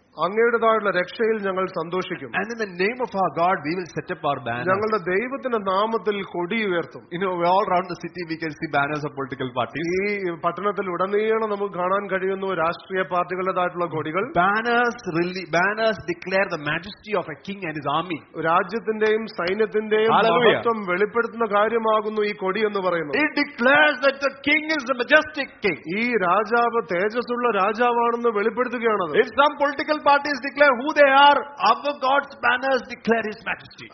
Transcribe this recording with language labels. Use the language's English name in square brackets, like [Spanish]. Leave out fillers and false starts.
[Malayalam] അങ്ങയുടെ താഴെ രക്ഷയിൽ ഞങ്ങൾ സന്തോഷിക്കും. [English] And in the name of our God, we will set up our banners. [Malayalam] ഞങ്ങളുടെ ദൈവത്തിന്റെ നാമത്തിൽ കൊടി ഉയർത്തും. [English] You know, all around the city we can see banners of political parties. [Malayalam] ഈ പട്ടണത്തിൽ ഉടനീളം നമുക്ക് കാണാൻ കഴിയുന്ന രാഷ്ട്രീയ പാർട്ടികളുടേതായിട്ടുള്ള കൊടികൾ. [English] Banners declare the majesty of a king and his army. [Malayalam] രാജ്യത്തിന്റെയും സൈന്യത്തിന്റെയും മഹത്വം വെളിപ്പെടുത്തുന്ന കാര്യമാകുന്നു ഈ കൊടി എന്ന് പറയുന്നത്. [English] It declares that the king is the majestic king. [Malayalam] ഈ രാജാവ് തേജസ്സുള്ള രാജാവാണെന്ന് വെളിപ്പെടുത്തുകയാണ്. [English] Parties declare who they are, other God's banners declare His majesty.